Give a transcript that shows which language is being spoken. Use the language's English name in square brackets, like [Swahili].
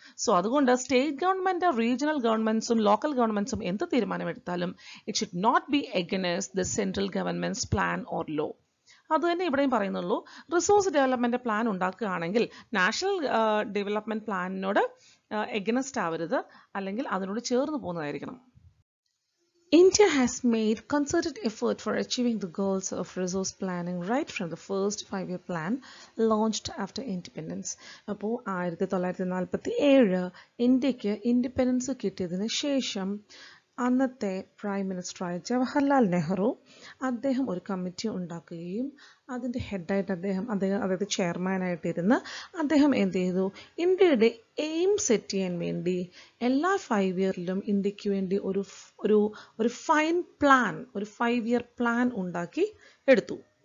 [Malayalam] So അതുകൊണ്ട് state government, regional ഗവൺമെൻറ്സും local ഗവൺമെൻറ്സും എന്ത് തീരുമാനമെടുത്താലും [English] It should not be against the central government plan or law. [Malayalam] അത് തന്നെ ഇവിടെയും പറയുന്നുള്ളൂ, റിസോഴ്സ് ഡെവലപ്മെൻ്റ് പ്ലാൻ ഉണ്ടാക്കുകയാണെങ്കിൽ നാഷണൽ ഡെവലപ്മെൻറ് പ്ലാനിനോട് എഗ്നസ്റ്റ് ആവരുത്, അല്ലെങ്കിൽ അതിനോട് ചേർന്ന് പോകുന്നതായിരിക്കണം. [English] India has made concerted effort for achieving the goals of resource planning right from the first five-year plan launched after independence. [Malayalam] അപ്പോൾ 1947 ഇന്ത്യക്ക് ഇൻഡിപെൻഡൻസ് കിട്ടിയതിന് ശേഷം അന്നത്തെ പ്രൈം മിനിസ്റ്ററായ ജവഹർലാൽ നെഹ്റു അദ്ദേഹം ഒരു കമ്മിറ്റി ഉണ്ടാക്കുകയും അതിൻ്റെ ഹെഡായിട്ട് അദ്ദേഹം അതായത് ചെയർമാനായിട്ടിരുന്ന് അദ്ദേഹം എന്ത് ചെയ്തു, ഇന്ത്യയുടെ എയിം സെറ്റ് ചെയ്യാൻ വേണ്ടി എല്ലാ ഫൈവ് ഇയറിലും ഇന്ത്യക്ക് വേണ്ടി ഒരു ഫൈൻ പ്ലാൻ, ഒരു ഫൈവ് ഇയർ പ്ലാൻ ഉണ്ടാക്കി എടുത്തു.